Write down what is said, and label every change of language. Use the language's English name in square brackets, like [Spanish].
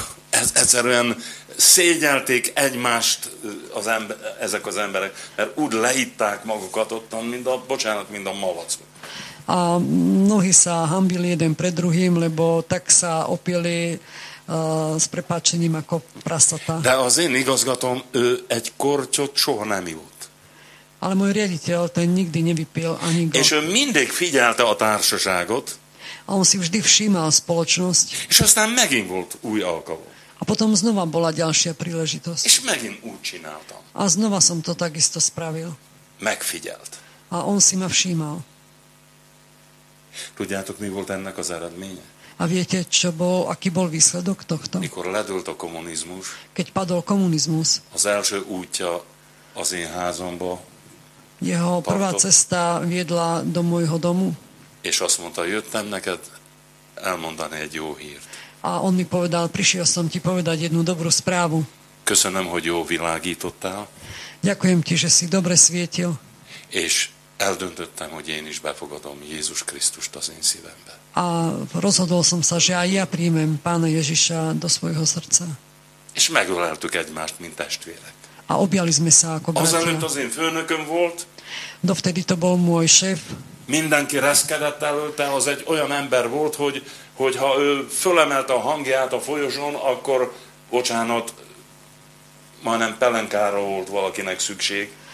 [Hungarian] Egyszerűen szégyelték egymást az ember, ezek az emberek, mert úgy leitták magukat ottan, mint a, bocsánat, mint a malacok. [Slovak] A mnohí sa hambili jeden pred druhým, lebo tak sa opili s prepáčením ako prasata. [Hungarian] De az én igazgatom, ő egy kortyot soha nem jut. [Slovak] Ale môj riaditeľ, ten nikdy nevypil ani go. [Hungarian] És ő mindig figyelte a társaságot. [Slovak] A on si vždy všímal spoločnosť. [Hungarian] És aztán megint volt új alkalom. [Slovak] A potom znova bola ďalšia príležitosť. [Hungarian] És megint úgy csináltam. [Slovak] A znova som to takisto spravil. [Hungarian] Megfigyelt. [Slovak] A on si ma všímal. [Hungarian] Tudjátok, mi volt ennek az eredménye? [Slovak] A viete, čo bol, aký bol výsledok tohto? [Hungarian] Mikor ledült a komunizmus. [Slovak] Keď padol komunizmus. [Hungarian] Az első útja az én házomba. [Slovak] Jeho partok, prvá cesta viedla do môjho domu. [Hungarian] És azt mondta, jöttem neked elmondani egy jó hírt. [Slovak] A on mi povedal, prišiel som ti povedať jednu dobrú správu. [Hungarian] Köszönöm, hogy jó világítottál. [Slovak] Ďakujem ti, že si dobre svietil. [Hungarian] És eldöntöttem, hogy én is befogadom Jézus Krisztust az én szívembe. [Slovak] A rozhodol som sa, že aj ja príjmem Pána Ježiša do svojho srdca. [Hungarian] És megöleltük egymást, mint testvérek. [Slovak] A objali sme sa ako bratia. [Hungarian] Azelőtt az én főnököm volt. [Slovak] Dovtedy to bol môj šéf. [Hungarian] Mindenki reszkedett előtte, az egy olyan ember volt, hogy ha ő fölemelte a hangját a folyosón, akkor, bocsánat, majdnem pelenkára volt valakinek szükség.